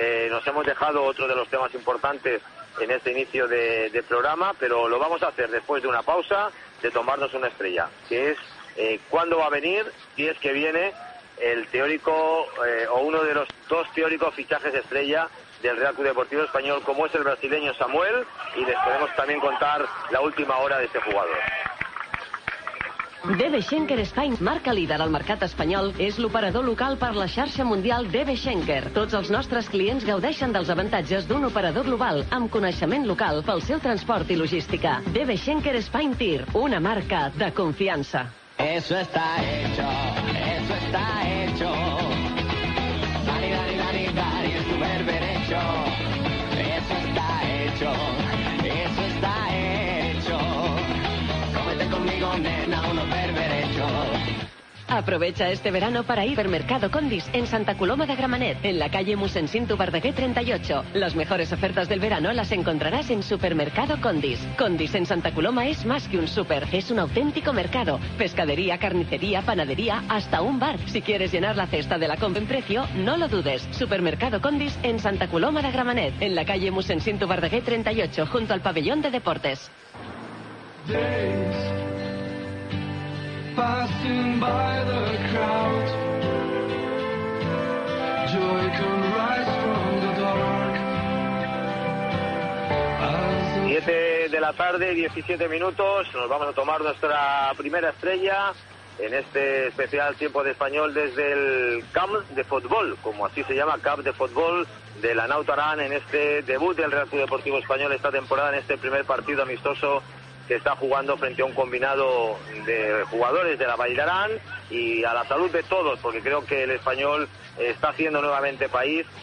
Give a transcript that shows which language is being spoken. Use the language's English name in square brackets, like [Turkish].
[Spanish] Nos hemos dejado otro de los temas importantes en este inicio de programa, pero lo vamos a hacer después de una pausa, de tomarnos una estrella, que es ¿cuándo va a venir, si es que viene, el teórico o uno de los dos teóricos fichajes estrella del Real Club Deportivo Español, como es el brasileño Samuel? Y les podemos también contar la última hora de este jugador. [Catalan] DB Schenker Spain, marca líder al mercat espanyol, és l'operador local per la xarxa mundial DB Schenker. Tots els nostres clients gaudeixen dels avantatges d'un operador global amb coneixement local pel seu transport i logística. DB Schenker Spain Tir, una marca de confiança. [Spanish] Eso está hecho, eso está hecho. Dani, Dani, Dani, Dani, es super derecho. Eso está hecho, eso está hecho. Cómete conmigo, nena, uno perverecho. Aprovecha este verano para ir al Mercado Condis en Santa Coloma de Gramenet, en la calle Mossèn Cinto Verdaguer 38. Las mejores ofertas del verano las encontrarás en Supermercado Condis. Condis en Santa Coloma es más que un súper, es un auténtico mercado. Pescadería, carnicería, panadería, hasta un bar. Si quieres llenar la cesta de la compra en precio, no lo dudes. Supermercado Condis en Santa Coloma de Gramenet, en la calle Mossèn Cinto Verdaguer 38, junto al pabellón de deportes. [English] Days. Passing by the crowd, joy can rise from the dark. [Spanish] 7 de la tarde, 17 minutos, nos vamos a tomar nuestra primera estrella en este especial Tiempo de Español desde el Camp de Fútbol, como así se llama, Camp de Fútbol de la Naut Aran, en este debut del Real Club Deportivo Español esta temporada, en este primer partido amistoso que está jugando frente a un combinado de jugadores de la Vall d'Aran, y a la salud de todos, porque creo que el Español está haciendo nuevamente país.